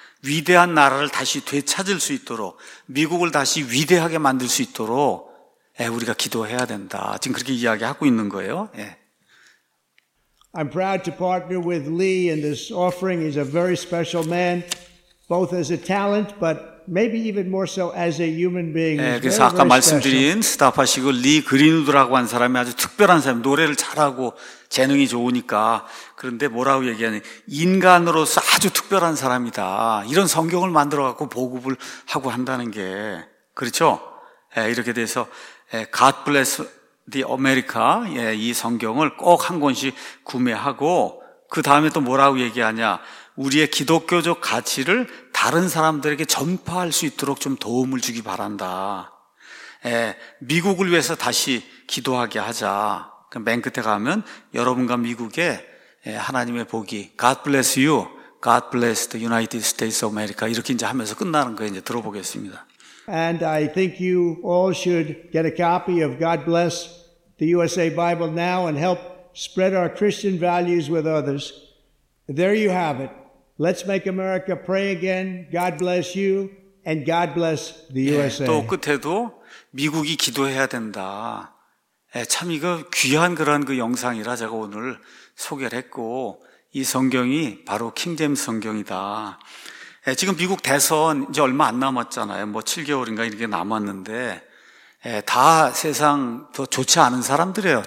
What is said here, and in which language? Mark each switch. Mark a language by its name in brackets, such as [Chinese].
[Korean] 위대한 나라를 다시 되찾을 수 있도록 미국을 다시 위대하게 만들 수 있도록 우리가 기도해야 된다. 지금 그렇게 이야기하고 있는 거예요. [English] I'm proud to partner with Lee in this offering. He's a very special man, both as a talent, but maybe even more so as a human being. [Korean] 예, 그래서 very, 아까 very 말씀드린 스타파시고 리 그린우드라고 한 사람이 아주 특별한 사람, 노래를 잘하고 재능이 좋으니까. 그런데 뭐라고 얘기하니, 인간으로서 아주 특별한 사람이다. 이런 성경을 만들어 갖고 보급을 하고 한다는 게 그렇죠? 예, 이렇게 돼서 예, [English] God bless the America. [Korean] 예, 이 성경을 꼭 한 권씩 구매하고 그 다음에 또 뭐라고 얘기하냐? 우리의 기독교적 가치를 다른 사람들에게 전파할 수 있도록 좀 도움을 주기 바란다. 예, 미국을 위해서 다시 기도하게 하자. 그럼 맨 끝에 가면 여러분과 미국에 예, 하나님의 복이 [English] God bless you, God bless the United States of America [Korean] 이렇게 이제 하면서 끝나는 거 이제 들어보겠습니다. [English] And I think you all should get a copy of God Bless the USA Bible now and help spread our Christian values with others. There you have it. Let's make America pray again. God bless you and God bless the USA. [Korean] 예, 또 끝에도 미국이 기도해야 된다. 예, 참 이거 귀한 그런 그 영상이라 제가 오늘 소개를 했고 이 성경이 바로 킹제임스 성경이다. 예, 지금 미국 대선 이제 얼마 안 남았잖아요. 뭐 7개월인가 이렇게 남았는데 예, 다 세상 더 좋지 않은 사람들이에요.